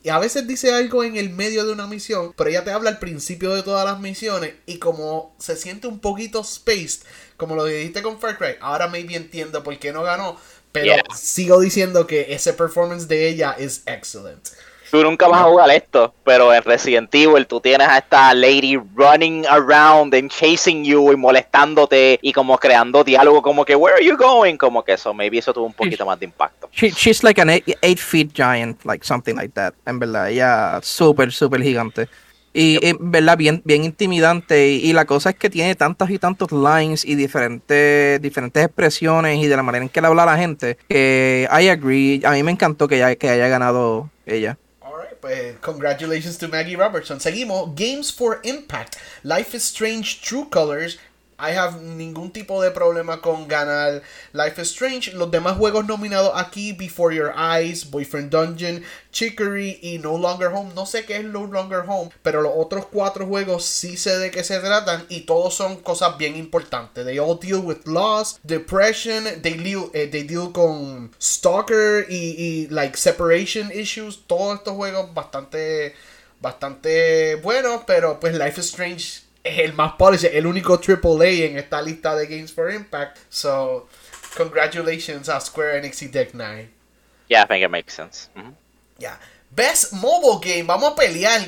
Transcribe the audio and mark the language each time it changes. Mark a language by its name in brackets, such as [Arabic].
[Spanish] Y a veces dice algo en el medio de una misión, pero ella te habla al principio de todas las misiones y como se siente un poquito spaced, como lo dijiste con Far Cry, ahora maybe entiendo por qué no ganó, pero sigo diciendo que ese performance de ella es excellent. Tú nunca vas a jugar esto, pero en Resident Evil tú tienes a esta [English] lady running around and chasing you [Spanish] y molestándote y como creando diálogo como que, [English] where are you going? [Spanish] Como que eso, maybe eso tuvo un poquito más de impacto. [English] She's like an 8-foot giant, like something like that. [Spanish] En verdad, ella súper, súper gigante. Y en verdad, bien, bien intimidante. Y la cosa es que tiene tantos y tantos lines y diferentes expresiones y de la manera en que le habla a la gente. Que [English] I agree. [Spanish] A mí me encantó que haya ganado ella. [English] Congratulations to Maggie Robertson. [Spanish] Seguimos. [English] Games for Impact. Life is Strange, True Colors. I have [Spanish] ningún tipo de problema con ganar Life is Strange. Los demás juegos nominados aquí, Before Your Eyes, Boyfriend Dungeon, Chicory y No Longer Home. No sé qué es No Longer Home, pero los otros cuatro juegos sí sé de qué se tratan y todos son cosas bien importantes. [English] They all deal with loss, depression, they deal con stalker y like separation issues. [Spanish] Todos estos juegos bastante, bastante buenos, pero pues Life is Strange es el más polished, el único AAA en esta lista de Games for Impact. [English] So, congratulations a Square Enix y Deck Nine. Yeah, I think it makes sense. Mm-hmm. Yeah. Best Mobile Game, [Spanish] vamos a pelear.